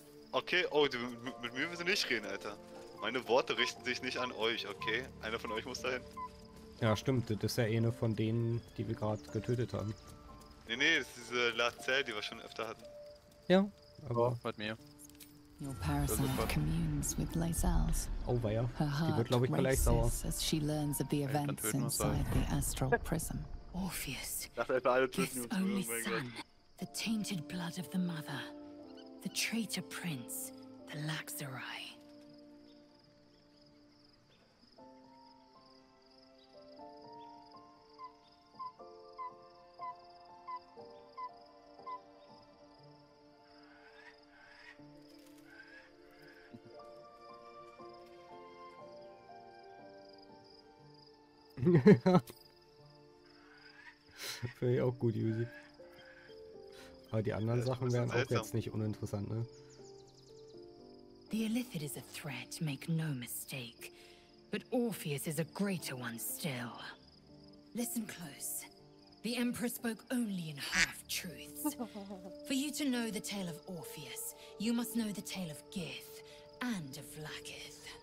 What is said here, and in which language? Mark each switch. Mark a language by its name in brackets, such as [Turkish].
[German] Okay, oh, mit mir müssen wir nicht reden, Alter. Meine Worte richten sich nicht an euch, okay? Einer von euch muss dahin. Ja, stimmt. Das ist ja eine von denen, die wir gerade getötet haben. Nee, das ist diese Lazelle, die wir schon öfter hatten. Ja, aber... mit mir. [English] Your parasite communes with Lazelle's. [German] Oh, weia. [English] Her heart [German] die wird, glaube ich, vielleicht sauer. [English] As she learns of the events inside the astral prism. Orpheus, this only son, the tainted blood of the mother, the traitor prince, the Laxarai. [German] Finde ich auch gut, Yuzi. Aber die anderen Sachen wären auch jetzt nicht uninteressant, ne? [English] The Illithid is a threat, make no mistake. But Orpheus is a greater one still. Listen close. The Emperor spoke only in half-truths. For you to know the tale of Orpheus, you must know the tale of Gith and of Lacketh.